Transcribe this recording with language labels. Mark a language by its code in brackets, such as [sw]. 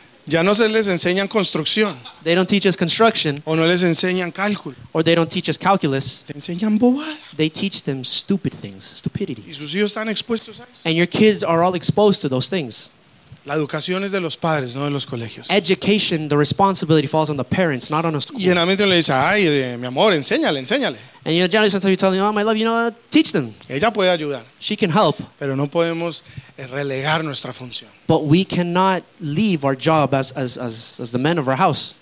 [es] Ya no se les enseñan construcción. [en] They don't teach us construction. [es] O no les enseñan cálculo. [en] Or they don't teach us calculus. [es] Te enseñan bobadas. [en] They teach them stupid things, stupidity. [es] Y sus hijos están expuestos a eso. [en] And your kids are all exposed to those things. [es] La educación es de los padres, no de los colegios. [en] Education, the responsibility falls on the parents, not on a school. [es] Y generalmente uno le dice, ay, mi amor, enséñale, enséñale. [en] And you know, generally sometimes you tell them, oh, my love, you know, teach them. [es] Ella puede ayudar. [en] She can help. [es] Pero no podemos relegar nuestra función. [en] But we cannot leave our job as the men of our house.